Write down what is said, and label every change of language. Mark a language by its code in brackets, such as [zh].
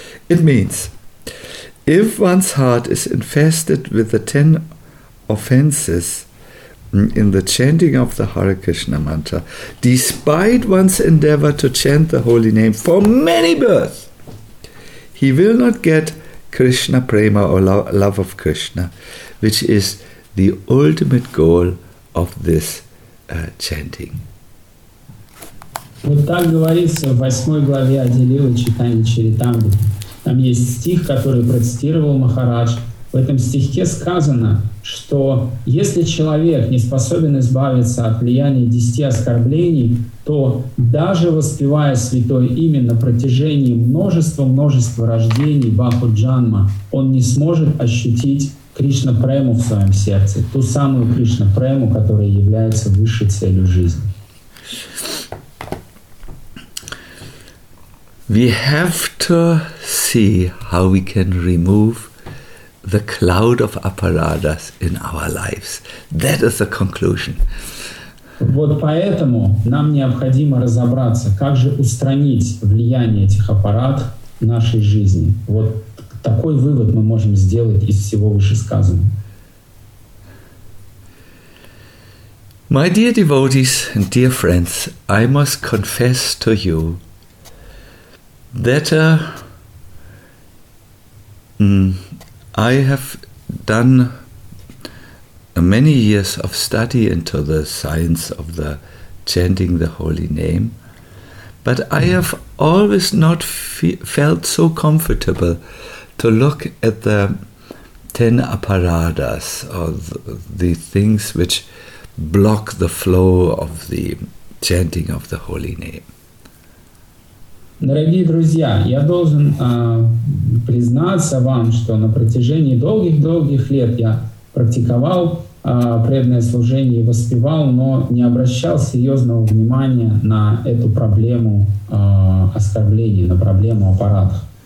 [en] It means, if one's heart is infested with the 10 offenses in the chanting of the Hare Krishna mantra, despite one's endeavor to chant the holy name for many births, he will not get Krishna prema or love of Krishna, which is the ultimate goal of this chanting. [ru] Вот так говорится в 8 главе Адилилы Чайтанья Чаритамриты. Там есть стих, который процитировал Махарадж. В этом стихе сказано, что если человек не способен избавиться от влияния 10 оскорблений, то даже воспевая святое имя на протяжении множества-множества рождений Баху Джанма, он не сможет ощутить Кришна Прему в своем сердце, ту самую Кришна Прему, которая является высшей целью жизни. [en] We have to see how we can remove the cloud of aparadas in our lives. That is the conclusion. [ru] Вот поэтому нам необходимо разобраться, как же устранить влияние этих аппарат в нашей жизни. Вот такой вывод мы можем сделать из всего вышесказанного. [en] My dear devotees and dear friends, I must confess to you that I have done many years of study into the science of the chanting the holy name, but I have always not felt so comfortable to look at the 10 aparadas or the things which block the flow of the chanting of the holy name. [ru] Дорогие друзья, я должен признаться вам, что на протяжении долгих-долгих лет я практиковал преданное служение и воспевал, но не обращал серьезного внимания на эту проблему оскорблений, на проблему аппаратов.